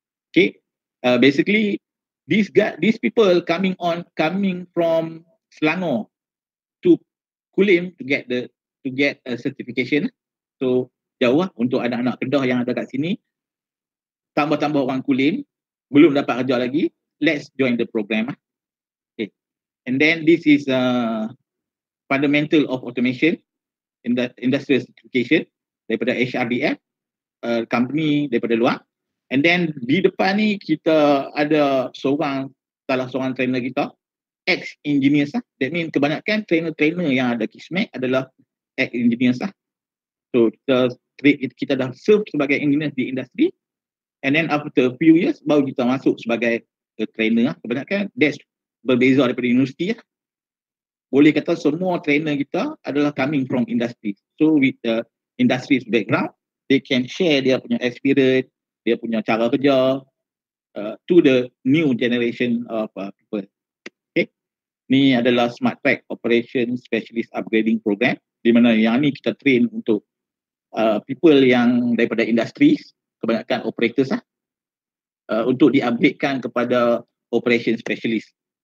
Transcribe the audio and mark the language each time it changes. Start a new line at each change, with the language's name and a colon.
English: Okay, basically these people coming from Selangor to Kulim to get a certification.
Malay: So jauh lah untuk anak-anak Kedah yang ada kat sini, tambah-tambah orang Kulim belum dapat kerja lagi,
English: let's join the program
Malay: lah.
English: Okay, and then this is fundamental of automation in the industrial certification daripada HRDF, company
Malay: daripada luar.
English: And then
Malay: di depan ni kita ada salah seorang trainer kita, ex-engineers lah.
English: That mean
Malay: kebanyakan trainer-trainer yang ada Kismet adalah ex-engineers lah. So kita dah serve sebagai engineer di industri.
English: And then after a few years,
Malay: baru kita masuk sebagai trainer lah. Kebanyakan that's berbeza daripada universiti lah. Boleh kata semua trainer kita adalah
English: coming from industry. So with the industry's background, they can share
Malay: dia punya
English: experience,
Malay: dia punya cara kerja
English: to the new generation of people.
Malay: Okay. Ni adalah Smart Track Operation Specialist Upgrading Program, di mana yang ni kita train untuk people yang daripada industries, kebanyakan operators lah, untuk di-upgradekan kepada operation specialist.